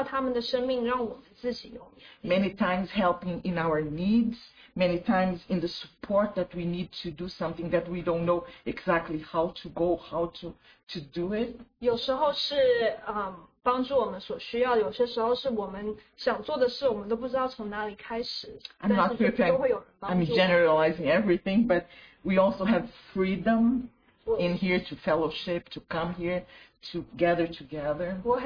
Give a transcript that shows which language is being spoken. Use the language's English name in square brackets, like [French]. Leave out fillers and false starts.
[Chinese] 还有主为我们预备那些可以看顾我们的人，我们可以通过看到他们的生命，让我们自己有。 [English] Many times helping in our needs, many times in the support that we need to do something that we don't know exactly how to go, how to do it. [Chinese] 有时候是 帮助我们所需要，有些时候是我们想做的事，我们都不知道从哪里开始。 [English] I'm not sure if I'm generalizing everything, but we also have freedom in here to fellowship, to come here, to gather together.